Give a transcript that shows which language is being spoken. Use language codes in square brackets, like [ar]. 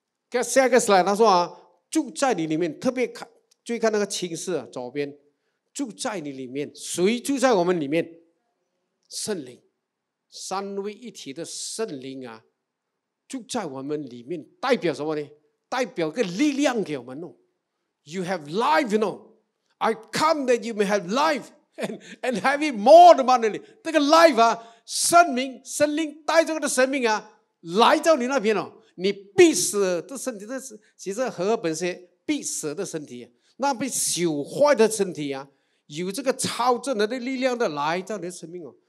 [zh] 看下一个 slide， 他说、啊、住在你里面，特别看，注意看那个启示、啊、左边，住在你里面，谁住在我们里面？圣灵，三位一体的圣灵啊，住在我们里面，代表什么呢？代表个力量给我们、哦、 You have life, you know. [en] I come that you may have life and have it more abundantly. [zh] 这个 life 啊，圣灵，圣灵带着我的生命啊，来到你那边哦，你必死的身体，这是其实和本身必死的身体，那被朽坏的身体啊，有这个超自然的力量的来到你的生命哦。